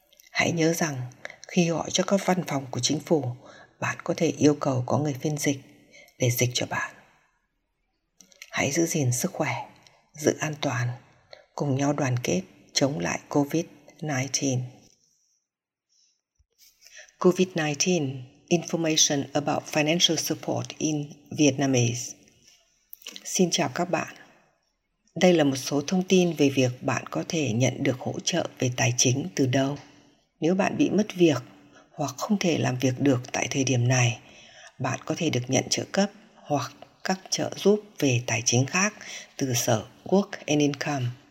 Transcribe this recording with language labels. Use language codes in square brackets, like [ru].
[vi] Hãy nhớ rằng, khi gọi cho các văn phòng của chính phủ, bạn có thể yêu cầu có người phiên dịch để dịch cho bạn. Hãy giữ gìn sức khỏe, giữ an toàn, cùng nhau đoàn kết chống lại COVID-19. [en] COVID-19 Information about Financial Support in Vietnamese. [vi] Xin chào các bạn. Đây là một số thông tin về việc bạn có thể nhận được hỗ trợ về tài chính từ đâu. Nếu bạn bị mất việc hoặc không thể làm việc được tại thời điểm này, bạn có thể được nhận trợ cấp hoặc các trợ giúp về tài chính khác từ Sở Work and Income.